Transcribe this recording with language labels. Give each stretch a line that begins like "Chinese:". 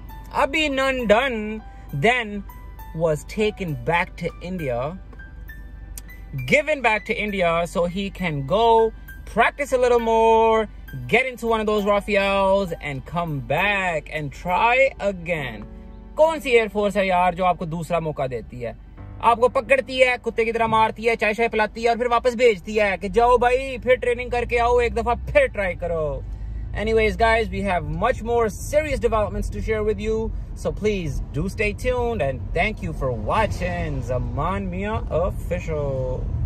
English: Abhinandan then was taken back to India, given back to India so he can go practice a little more, get into one of those Rafales, and come back and try again.
Hindi: कौन सी air force है यार जो आपको दूसरा मौका देती है, आपको पकड़ती है, कुत्ते की तरह मारती है, चाय शाय पिलाती है और फिर वापस भेजती है कि जाओ भाई फिर ट्रेनिंग करके आओ, एक दफा फिर ट्राई करो.
English: Anyways guys, we have much more serious developments to share with you, so please do stay tuned and thank you for watching Zaman Mia Official.